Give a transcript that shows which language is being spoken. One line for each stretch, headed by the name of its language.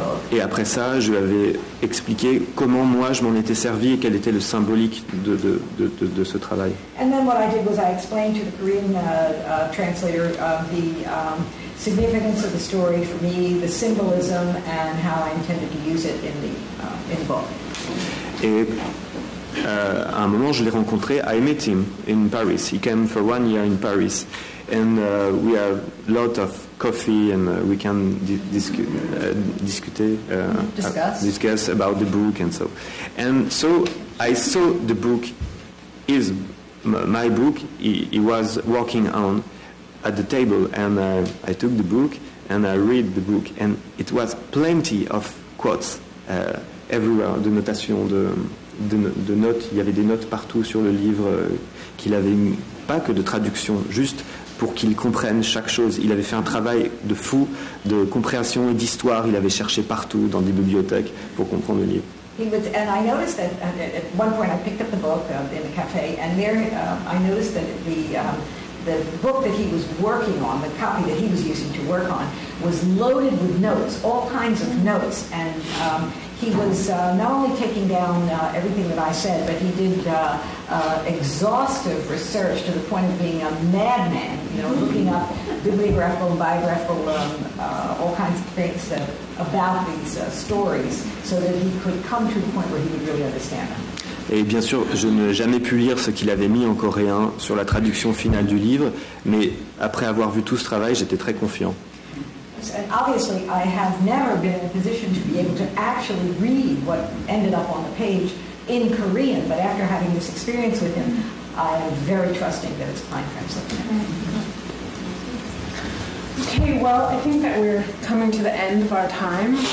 French: Et après ça, je lui avais expliqué comment moi je m'en étais servi et quel était le symbolique de ce travail.
English: And then what I did was I explained to the Korean translator the significance of the story for me, the symbolism, and how I intended to use it in the book.
French: Et à un moment, je l'ai rencontré.
English: I met him in Paris. He came for 1 year in Paris. And we have a lot of coffee, and we can discuss about the book and so. And so I saw the book is my book. He was working on at the table, and I took the book and I read the book, and it was plenty of quotes everywhere.
French: De notations, de notes. Il y avait des notes partout sur le livre qu'il avait mis. Pas que de traduction, juste pour qu'il comprenne chaque chose. Il avait fait un travail de fou de compréhension et d'histoire. Il avait cherché partout dans des bibliothèques pour comprendre le livre.
English: He was, and I noticed that at one point I picked up the book in the cafe, and there I noticed that the book that he was working on, the copy that he was using to work on, was loaded with notes, all kinds of notes, and he was not only taking down everything that I said, but he did exhaustive research to the point of being a madman, you know, looking up bibliographical and biographical, all kinds of things that, about these stories, so that he could come to the point where he would really understand them.
French: Et bien sûr, je n'ai jamais pu lire ce qu'il avait mis en coréen sur la traduction finale du livre, mais après avoir vu tout ce travail, j'étais très confiant.
English: And obviously, I have never been in a position to be able to actually read what ended up on the page in Korean, but after having this experience with him, I am very trusting that it's fine translation. Okay, well, I think that we're coming to the end of our time.